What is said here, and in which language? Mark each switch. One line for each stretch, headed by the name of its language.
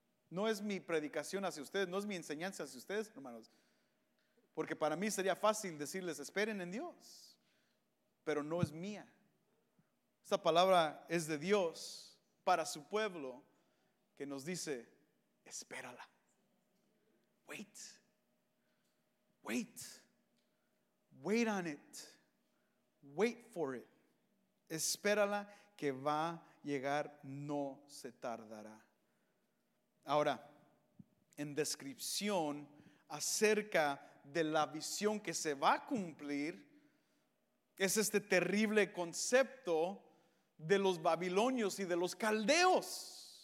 Spanish: No es mi predicación hacia ustedes, no es mi enseñanza hacia ustedes, hermanos, porque para mí sería fácil decirles esperen en Dios, pero no es mía. Esta palabra es de Dios para su pueblo, que nos dice espérala.
English: Wait, wait, wait on it, wait for it.
Spanish: Espérala, que va llegar, no se tardará. Ahora, en descripción acerca de la visión que se va a cumplir, es este terrible concepto de los babilonios y de los caldeos.